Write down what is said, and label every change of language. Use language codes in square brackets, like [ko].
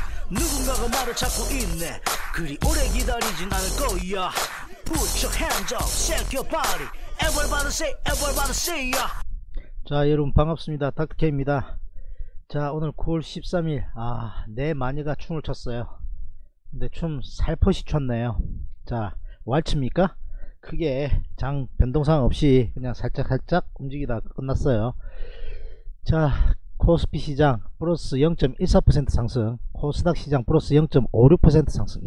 [ko] 누군가가 말을 찾고 있네. 그리 오래 기다리진 않을 거야. [en] Put your hands up, shake your body. Everybody say, everybody say. [ko] 자, 여러분 반갑습니다. 닥터 K입니다. 자, 오늘 9월 13일. 아, 내 마녀가 춤을 췄어요. 근데 춤 살포시 췄네요. 자, 왈츠입니까? 크게 장 변동사항 없이 그냥 살짝 움직이다 끝났어요. 자, 코스피 시장 플러스 0.14% 상승, 코스닥 시장 플러스 0.56% 상승.